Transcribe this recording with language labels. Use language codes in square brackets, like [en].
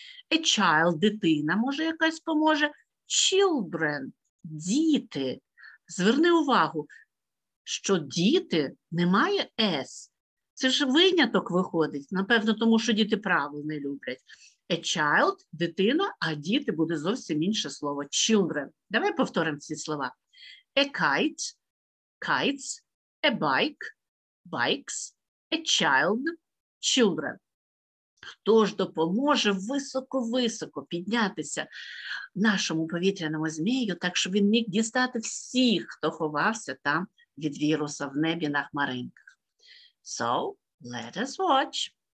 [en] A child [uk] – дитина, може, якась поможе. Children – діти. Зверни увагу, що діти немає S. Це ж виняток виходить, напевно, тому що діти правил не люблять. [en] A child [uk] – дитина, а діти буде зовсім інше слово – children. Давай повторимо ці слова. [en] A kite – kites, a bike – bikes, a child – children. [uk] Хто ж допоможе високо-високо піднятися нашому повітряному змію, так, щоб він міг дістати всіх, хто ховався там від віруса в небі на хмаринках. [en] So, let us watch.